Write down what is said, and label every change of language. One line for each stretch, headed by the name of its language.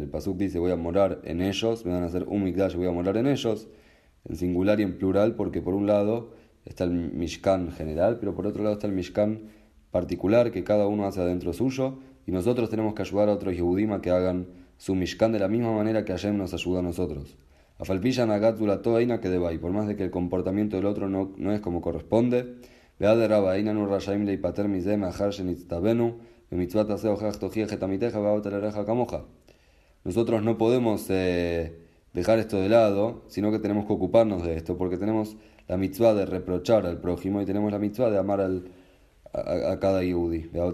Spanish: El Pasuk dice: voy a morar en ellos, me van a hacer un Mikdash, voy a morar en ellos, en singular y en plural, porque por un lado está el Mishkan general, pero por otro lado está el Mishkan particular que cada uno hace adentro suyo, y nosotros tenemos que ayudar a otros Yehudim a que hagan su Mishkan de la misma manera que Hashem nos ayuda a nosotros. Afalpilla Nagatula Toaina Kedebai, por más de que el comportamiento del otro no es como corresponde,
Hebrew: ואדרבה, אין אנו רשאים להיפטר מזה מאחר שנצטווינו במצוות עשה הוכח תוכיח את עמיתך ואהבת לרעך כמוך.
Spanish: Nosotros no podemos dejar esto de lado, sino que tenemos que ocuparnos de esto, porque tenemos la mitzvah de reprochar al prójimo y tenemos la mitzvah de amar a cada yehudi.